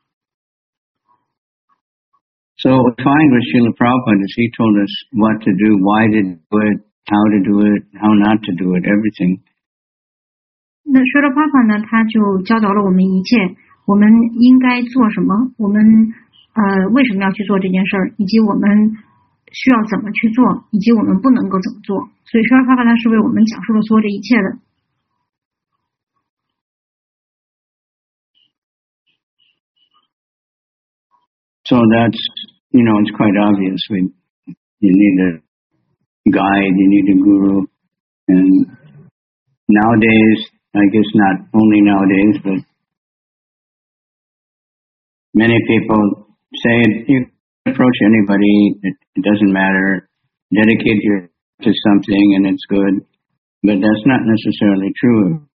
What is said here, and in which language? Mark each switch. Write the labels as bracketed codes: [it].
[zh] 因为我们学习任何的东西，我们其实都是需要一位老师的。我们需要了解怎么做这件事儿，什么是应该做的，什么是不应该做的，以及如何去做。 [en] So we find with Srila Prabhupada, he told us what to do, why to do it, how to do it, how not to do it, everything. [zh] 那舍勒巴巴呢，他就教导了我们一切，我们应该做什么，我们为什么要去做这件事，以及我们需要怎么去做，以及我们不能够怎么做。所以舍勒巴巴呢，是为我们讲述了所有这一切的。 [en] So that's, you know, it's quite obvious. You need a guide, you need a guru, and nowadays. I guess not only nowadays, but many people say you can approach anybody, it doesn't matter, dedicate yourself to something and it's good, but that's not necessarily true.